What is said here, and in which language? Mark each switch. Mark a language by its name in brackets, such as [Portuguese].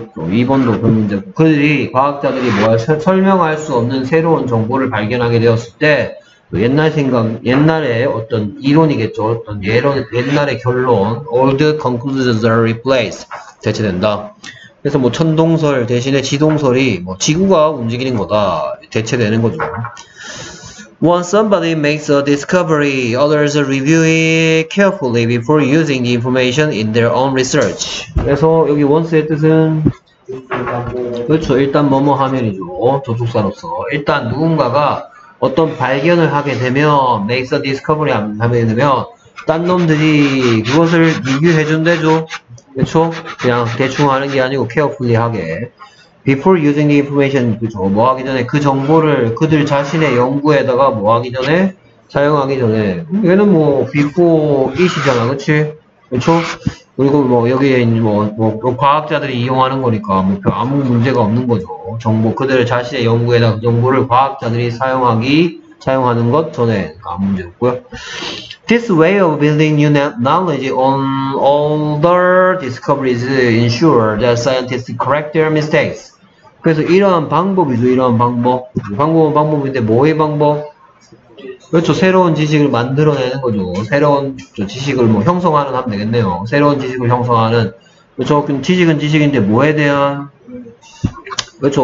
[Korean] 2번도 그런 문제. 그들이 과학자들이 설명할 수 없는 새로운 정보를 발견하게 되었을 때. 옛날 생각, 옛날의 어떤 이론이겠죠. 어떤 예론, 옛날의 결론. [English] Old conclusions are replaced. [Korean] 대체된다. 그래서 뭐 천동설 대신에 지동설이 뭐 지구가 움직이는 거다. 대체되는 거죠. [English] When somebody makes a discovery, others review it carefully before using the information in their own research. [Korean] 그래서 여기 once의 뜻은 그렇죠. 일단 뭐뭐 하면이죠. 저축사로서. 일단 누군가가 어떤 발견을 하게 되면, [English] makes a discovery [Korean] 하게 되면, 딴 놈들이 그것을 리뷰해 준대죠. 그쵸? 그냥 대충 하는 게 아니고, carefully 하게. [English] before using the information, [Korean] 그쵸? 뭐 하기 전에 그 정보를 그들 자신의 연구에다가 뭐 하기 전에? 사용하기 전에. 얘는 뭐, [English] before it [Korean] 이잖아. 그치? 그쵸? 그리고 뭐, 여기에 있는 뭐, 과학자들이 이용하는 거니까, 뭐, 아무 문제가 없는 거죠. 정보, 그들의 자신의 연구에다 그 정보를 과학자들이 사용하는 것 전에, 아무 문제 없고요. [English] This way of building new knowledge on older discoveries ensure that scientists correct their mistakes. [Korean] 그래서 이러한 방법이죠, 이러한 방법. 방법은 방법인데, 뭐의 방법? 그렇죠. 새로운 지식을 만들어내는 거죠. 새로운 지식을 뭐 형성하는 하면 되겠네요. 새로운 지식을 형성하는. 그렇죠. 지식은 지식인데 뭐에 대한? 그렇죠.